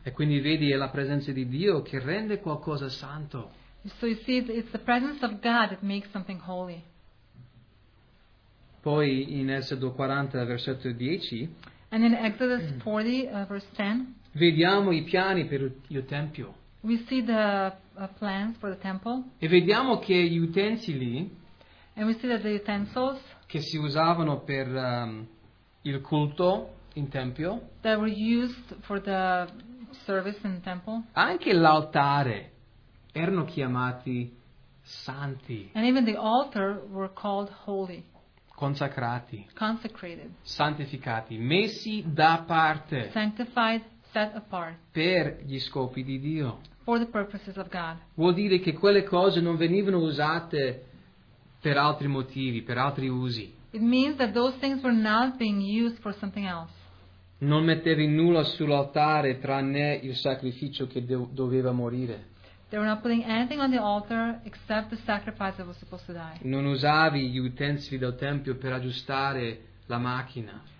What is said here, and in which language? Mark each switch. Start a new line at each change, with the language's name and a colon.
Italian: E quindi vedi, è la presenza di Dio che rende qualcosa santo.
English: So you see, it's the presence of God that makes something holy.
Italian: Poi in Esodo 40, versetto 10.
English: And in Exodus 40, verse 10.
Italian: Vediamo i piani per il tempio.
English: We see the plans for the temple.
Italian: E vediamo che gli utensili.
English: And we see that the utensils.
Italian: Che si usavano per il culto in tempio.
English: That were used for the service in the temple.
Italian: Anche l'altare erano chiamati santi.
English: And even the altar were called holy.
Italian: Consacrati,
English: consecrated,
Italian: santificati, messi da parte,
English: sanctified, set apart,
Italian: per gli scopi di Dio,
English: for the purposes of God.
Italian: Vuol dire che quelle cose non venivano usate per altri motivi, per altri usi.
English: It means that those things were not being used for something else.
Italian: Non mettevi nulla sull'altare tranne il sacrificio che doveva morire.
English: They were not putting anything on the altar except the sacrifice that was supposed to die.
Italian: Non usavi gli utensili del tempio per aggiustare la macchina.